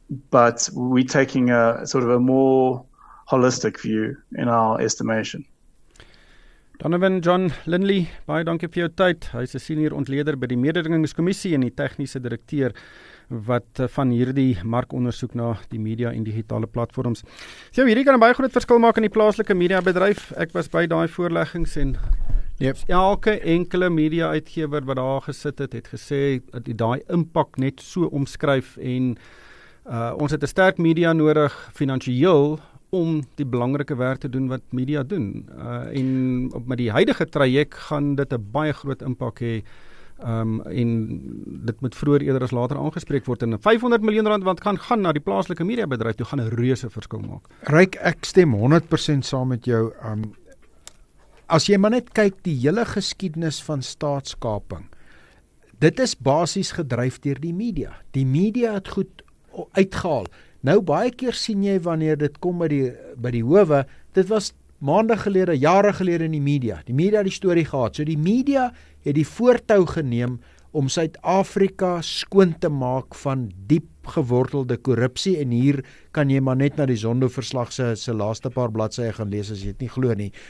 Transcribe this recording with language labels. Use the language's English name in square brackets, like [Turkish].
[English] But we're taking a sort of a more holistic view in our estimation. [Afrikaans] Donovan John Lindley, baie dankie vir jou tyd. Hy's 'n senior ontleder by die Mededingingskommissie en die tegniese direkteur wat van hierdie markondersoek na die media en digitale platforms. So hierdie kan 'n baie groot verskil maak in die plaaslike mediabedryf. Ek was by daai voorleggings en elke enkele media uitgewer wat daar gesit het, het gesê dat daai impak net so omskryf en ons het 'n sterk media nodig finansiëel om die belangrike werk te doen wat media doen. En met die huidige traject gaan dit 'n baie groot impak hê. En dit moet vroeër eerder as later aangespreek word. En 500 miljoen rand wat kan gaan na die plaaslike mediabedryf toe gaan 'n reuse verskil maak. Ryk, ek stem 100% saam met jou. As jy maar net kyk die hele geskiedenis van staatskaping, dit is basies gedryf deur die media. Die media het goed uitgehaal. Nou, baie keer sien jy wanneer dit kom by die howe, dit was maande gelede, jare gelede in die media. Die media het die storie gehad. So die media het die voortou geneem om Suid-Afrika skoon te maak van diep gewortelde korrupsie. En hier kan jy maar net na die Zondo-verslag se laaste paar bladsye gaan lees as jy het nie glo nie.